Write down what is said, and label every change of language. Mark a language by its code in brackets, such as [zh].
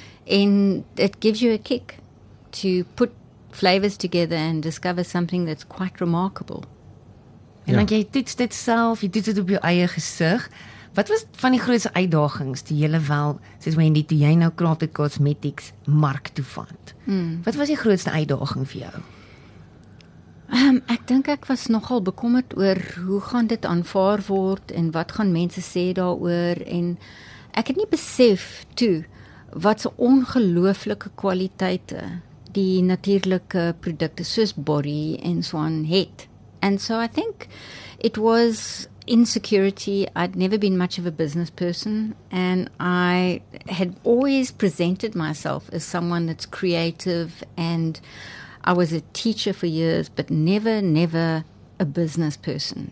[en] And it gives you a kick to put flavors together and discover something that's quite remarkable. [af] En dan jy toets dit self, jy toets dit op jou eie gesig. Wat was van die grootste uitdagings die hele wel, soos Wendy, toe jy nou klaar die cosmetics mark toe vat? Wat was die grootste uitdaging vir jou? Ek dink ek was nogal bekommerd oor hoe gaan dit aanvaar word en wat gaan mense sê daaroor. En ek het nie besef toe wat so ongelooflike kwaliteite die natuurlike produkte soos Borry en soan het. [en] And so I think it was insecurity. I'd never been much of a business person, and I had always presented myself as someone that's creative, and I was a teacher for years, but never a business person.